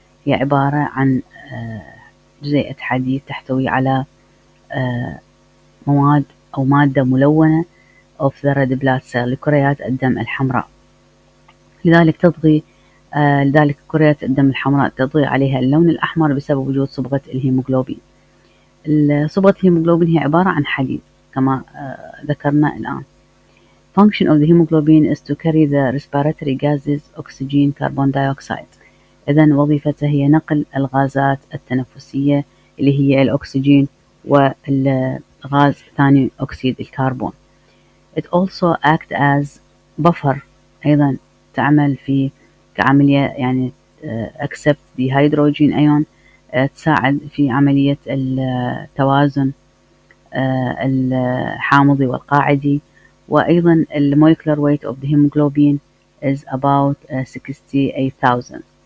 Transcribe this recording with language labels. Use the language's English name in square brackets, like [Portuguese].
[Arabic] هي عبارة عن جزيئة حديد تحتوي على مواد أو مادة ملونة [English] of the red blood cell [Arabic] لكريات الدم الحمراء. لذلك تضغي لذلك كريات الدم الحمراء تضغي عليها اللون الأحمر بسبب وجود صبغة الهيموغلوبين. صبغة الهيموغلوبين هي عبارة عن حديد كما ذكرنا الآن. [English] Function of the hemoglobin is to carry the respiratory gases, oxygen, carbon dioxide. [Arabic] إذن وظيفته هي نقل الغازات التنفسية اللي هي الأكسجين والغاز ثاني أكسيد الكربون. [English] It also act as buffer. [Arabic] أيضا تعمل في كعملية يعني [English] accept the hydrogen ion. [Arabic] تساعد في عملية التوازن الحامضي والقاعدي. [English] وأيضا the molecular weight of the hemoglobin is about 68,000.